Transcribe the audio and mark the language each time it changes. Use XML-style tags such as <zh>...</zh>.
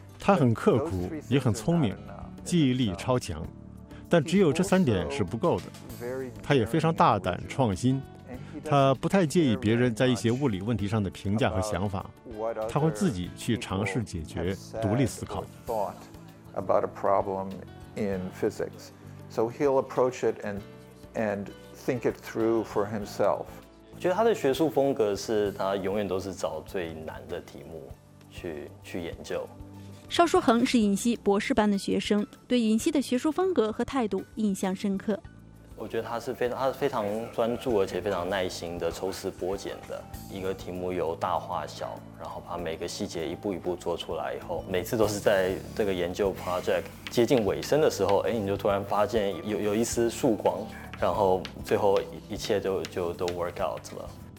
<zh>他很刻苦，也很聪明，记忆力超强。但只有这三点是不够的。他也非常大胆创新。他不太介意别人在一些物理问题上的评价和想法。他会自己去尝试解决，独立思考。</zh> <en>Thought about a problem in physics, so he'll approach it and think it through for himself.</en> <zh>我觉得他的学术风格是他永远都是找最难的题目 去研究。邵书恒是尹锡博士班的学生，对尹锡的学术风格和态度印象深刻。我觉得他是非常专注而且非常耐心的抽丝剥茧的，一个题目由大化小，然后把每个细节一步一步做出来以后，每次都是在这个研究 project 接近尾声的时候，你就突然发现 有一丝曙光，然后最后一切都</zh> <en>work out</en> <zh>了。</zh>